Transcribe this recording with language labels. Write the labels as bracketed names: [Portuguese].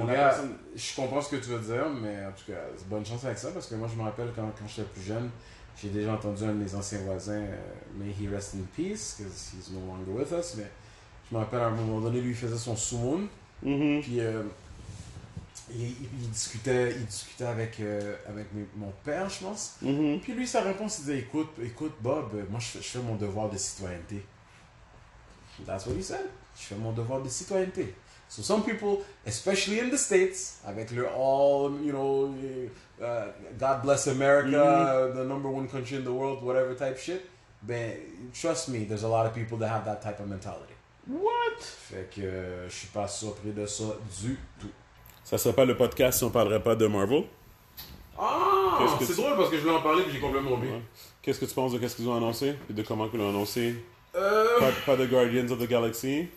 [French] bon, gars, je comprends ce que tu veux dire, mais en tout cas, bonne chance avec ça, parce que moi, je me rappelle quand j'étais plus jeune, j'ai déjà entendu un de mes anciens voisins, [English] may he rest in peace, because he's no longer with us, [French] mais je me rappelle à un moment donné, lui, il faisait son sumoon, puis il discutait avec mon père, je pense, puis lui, sa réponse, il disait, écoute, Bob, moi, je fais mon devoir de citoyenneté. [English] That's what he said. [French] Je fais mon devoir de citoyenneté. [English] So some people, especially in the States, avec le all, you know, God bless America, the number one country in the world, whatever type shit, ben, trust me, there's a lot of people that have that type of mentality. What? [French] Fait que je suis pas surpris de ça du tout. Ça serait pas le podcast si on parlerait pas de Marvel? Ah, c'est drôle parce que je voulais en parler puis j'ai complètement oublié. Qu'est-ce que tu penses de qu'est-ce qu'ils ont annoncé et de comment ils l'ont annoncé? Pas de Guardians of the Galaxy.